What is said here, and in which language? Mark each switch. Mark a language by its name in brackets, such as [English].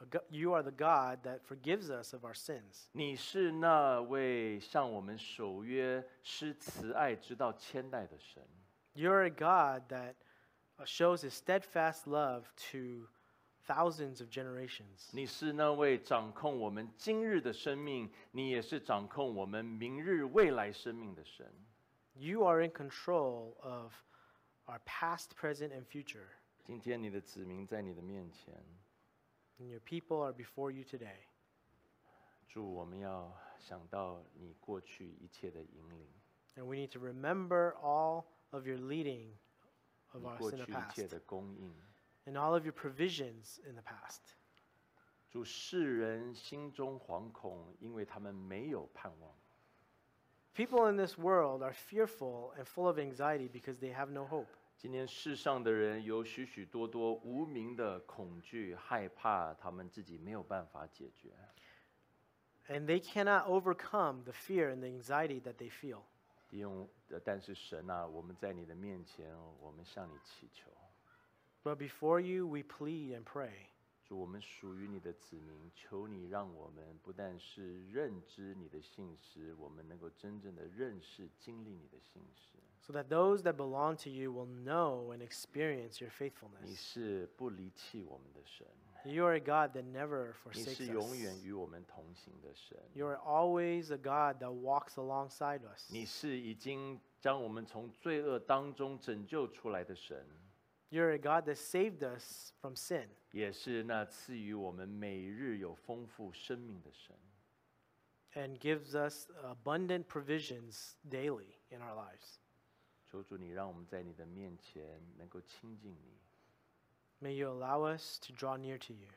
[English] You are the God that forgives us of our sins. [Chinese] 你是那位向我们守约、施慈爱直到千代的神。 [English] You are a God that shows his steadfast love to thousands of generations. [Chinese] 你是那位掌控我们今日的生命，你也是掌控我们明日未来生命的神。 [English] You are in control of our past, present, and future. [Chinese] 今天你的子民在你的面前。 [English] And your people are before you today. [Chinese] 主，我们要想到你过去一切的引领。 [English] And we need to remember all of your leading of us in the past. [Chinese] 你过去一切的供应。 [English] And all of your provisions in the past. [Chinese] 主，世人心中惶恐，因为他们没有盼望。 [English] People in this world are fearful and full of anxiety because they have no hope. [Chinese] 今天世上的人有许许多多无名的恐惧、害怕，他们自己没有办法解决。 [English] And they cannot overcome the fear and the anxiety that they feel. [Chinese] 但是神啊，我们在你的面前，我们向你祈求。 [English] But before you, we plead and pray. [Chinese] 主，我们属于你的子民，求你让我们不但是认知你的信实，我们能够真正的认识、经历你的信实。 [English] So that those that belong to you will know and experience your faithfulness. [Chinese] 你是不离弃我们的神。 [English] You are a God that never forsakes us. [Chinese] 你是永远与我们同行的神。 [English] You are always a God that walks alongside us. [Chinese] 你是已经将我们从罪恶当中拯救出来的神。 [English] You're a God that saved us from sin. [Chinese] 也是那赐予我们每日有丰富生命的神。 [English] And gives us abundant provisions daily in our lives. [Chinese] 求主你让我们在你的面前能够亲近你。 [English] May you allow us to draw near to you.